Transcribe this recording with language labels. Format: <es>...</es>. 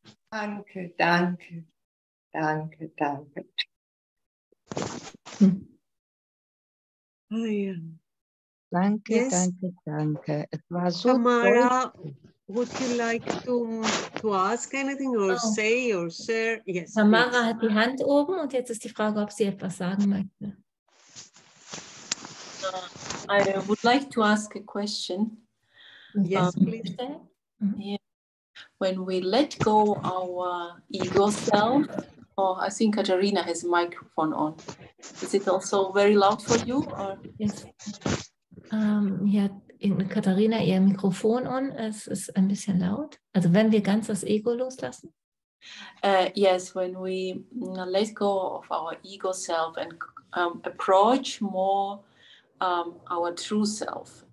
<de>Danke, danke, danke, danke. Danke, yes. Danke, danke. Es war so toll.</de> <en>Tamara, would you like to ask anything or say or share? Yes.</en> <de>Tamara hat die Hand oben und jetzt ist die Frage, ob sie etwas sagen möchte.</de> <en>I would like to ask a question. Yes, please. Yeah. When we let go our ego self, oh, I think Katharina has a microphone on. Is it also very loud for you? Or? Yes.</en> <de>Hier hat Katharina ihr Mikrofon an, es ist ein bisschen laut. Also wenn wir ganz das Ego loslassen?</de> <en>Yes, when we let go of our ego self and approach more our true self.</en>